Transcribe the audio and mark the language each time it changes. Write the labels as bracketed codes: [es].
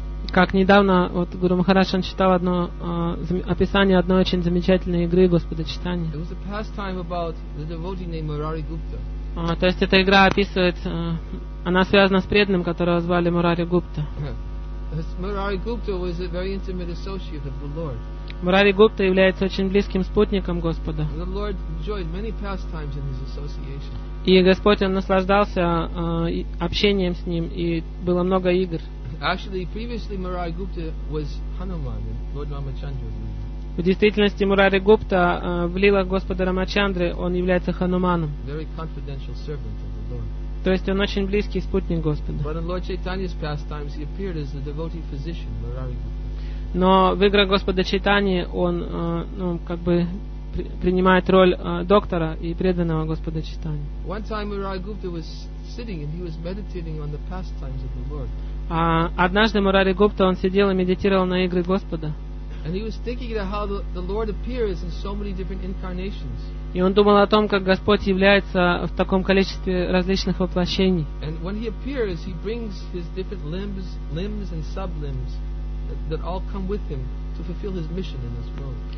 [ru] Как недавно вот Гуру Махарадж читал одно описание одной очень замечательной игры Господа Чайтаньи. [en] It was a pastime about the devotee named Murari Gupta. [ru] То есть эта игра описывает, она связана с преданным, которого звали Мурари Гупта. [en] Murari Gupta was a very intimate associate of the Lord. [ru] Мурари Гупта является очень близким спутником Господа. [en] The Lord enjoyed many pastimes in his association. [ru] И Господь, Он наслаждался общением с ним, и было много игр. [en] Actually, previously Murari Gupta was Hanuman in Lord Ramachandra's lila. [ru] В действительности Мурари Гупта в лилах Господа Рамачандры он является Хануманом. [en] Very confidential servant of the Lord. [ru] То есть он очень близкий спутник Господа. [en] But in Lord Chaitanya's pastimes, he appeared as the devotee physician, Murari Gupta. [ru] Но в играх Господа Чайтаньи он как бы принимает роль доктора и преданного Господа Чайтаньи. [en] One time Murari Gupta was sitting and he was meditating on the pastimes of the Lord. [ru] Однажды Мурари Гупта, он сидел и медитировал на игры Господа. [en] And he was thinking about how the Lord appears in so many different incarnations. [ru] И он думал о том, как Господь является в таком количестве различных воплощений. [en] And when he appears, he brings his different limbs and sublimbs that all come with him to fulfill his mission in this world.